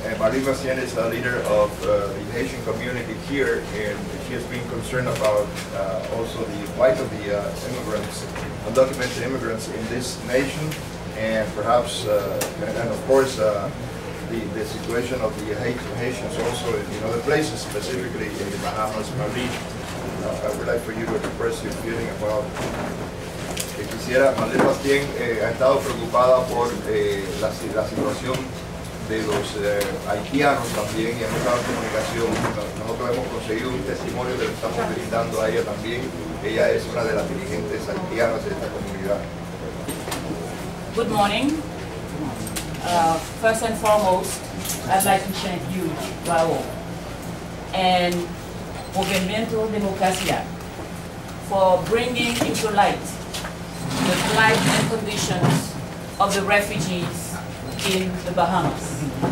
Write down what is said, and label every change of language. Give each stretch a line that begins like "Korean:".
English: Marlene Bastien is the leader of the Haitian community here, and she has been concerned about also the plight of the immigrants, undocumented immigrants in this nation, and perhaps, and of course, the situation of the Haitians also in other places, specifically in the Bahamas. Marlene, I would like for you to express your feeling about.
Spanish: Quisiera, Marlene Bastien ha estado preocupada por la situación de los haitianos también, y ha estado en comunicación. Nosotros hemos conseguido un testimonio que le estamos brindando a ella también. Ella es una de las dirigentes haitianas de esta comunidad.
English: Good morning. First and foremost, I'd like to thank you, Bravo, and Movimiento Democracia for bringing into light the plight and conditions of the refugees in the Bahamas.